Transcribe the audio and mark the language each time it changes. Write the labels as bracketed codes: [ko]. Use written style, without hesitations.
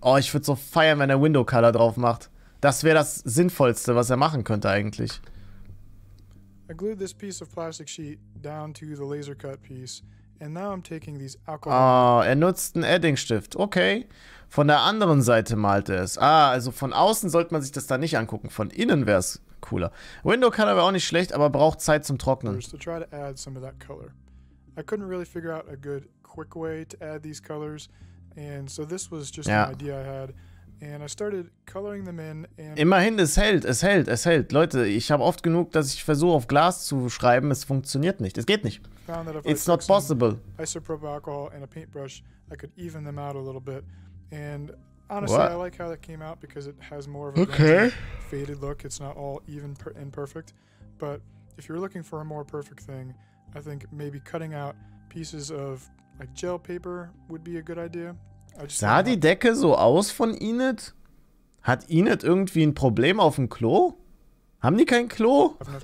[de] Oh, ich würde so feiern, wenn er Window Color drauf macht. Das wäre das Sinnvollste, was er machen könnte eigentlich. [en] I glued this piece of plastic sheet down to the laser cut piece and now I'm taking these alcohol. [de] Ah, er nutzt einen Edding-Stift. Okay. Von der anderen Seite malte es. Ah, also von außen sollte man sich das da nicht angucken. Von innen wäre es cooler. Window Color wäre auch nicht schlecht, aber braucht Zeit zum Trocknen. [en] To try to add some of that color. I couldn't really figure out a good quick way to add these colors and so this was just an idea I had. And I started coloring them in and [de] immerhin, es hält. Leute, ich habe oft genug, dass ich versuche, auf Glas zu schreiben. Es funktioniert nicht. Es geht nicht. [en] It's not possible. Isopropyl alcohol and a paintbrush, I could even them out a little bit. And honestly, what? I like how that came out because it has more of a faded look. It's not all even and perfect. But if you're looking for a more perfect thing, I think maybe cutting out pieces of like gel paper would be a good idea. [de] Sah die Decke so aus von Enid? Hat Enid irgendwie ein Problem auf dem Klo? Haben die kein Klo?